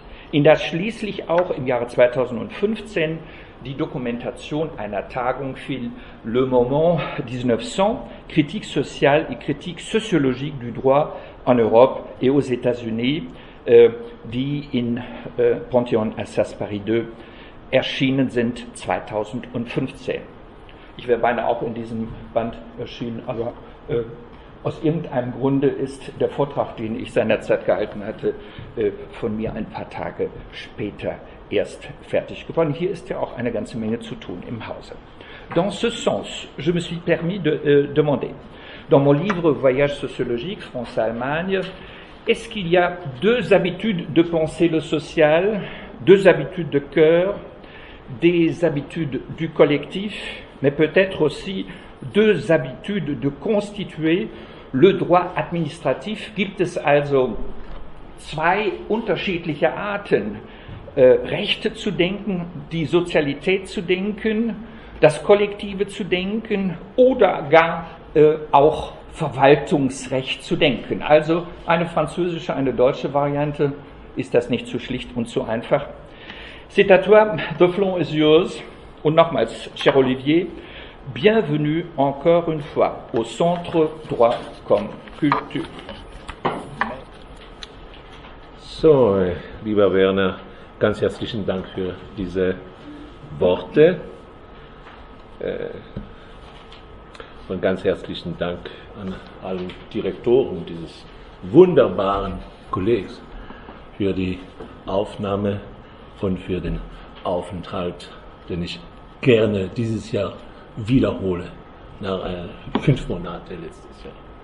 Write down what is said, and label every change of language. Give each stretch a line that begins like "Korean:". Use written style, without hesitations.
German: In das schließlich auch im Jahre 2015 die Dokumentation einer Tagung fiel, Le Moment 1900, Kritik sociale et Kritik sociologique du droit en Europe et aux États-Unis, die in Panthéon Assas Paris II erschienen sind 2015. Ich wäre beinahe auch in diesem Band erschienen, aber aus irgendeinem Grunde ist der Vortrag, den ich seinerzeit gehalten hatte, von mir ein paar Tage später erst fertig geworden. Hier ist ja auch eine ganze Menge zu tun im Hause.
French: Dans ce sens, je me suis permis de demander, dans mon livre Voyage sociologique, France-Allemagne, est-ce qu'il y a deux habitudes de penser le social, deux habitudes de cœur, des habitudes du collectif, mais peut-être aussi deux habitudes de constituer le droit administratif.
German: Gibt es also zwei unterschiedliche Arten, Rechte zu denken, die Sozialität zu denken, das Kollektive zu denken oder gar auch Verwaltungsrecht zu denken. Also eine französische, eine deutsche Variante, ist das nicht zu schlicht und zu einfach.
French: C'est à toi, le flanc est yours.
German: Und nochmals,
French: cher Olivier, bienvenue encore une fois au Centre Droit comme Culture.
German: So, lieber Werner, ganz herzlichen Dank für diese Worte. Und ganz herzlichen Dank an alle Direktoren dieses wunderbaren Kollegs für die Aufnahme und für den Aufenthalt, den ich gerne dieses Jahr wiederhole, nach 5 Monate letztes Jahr.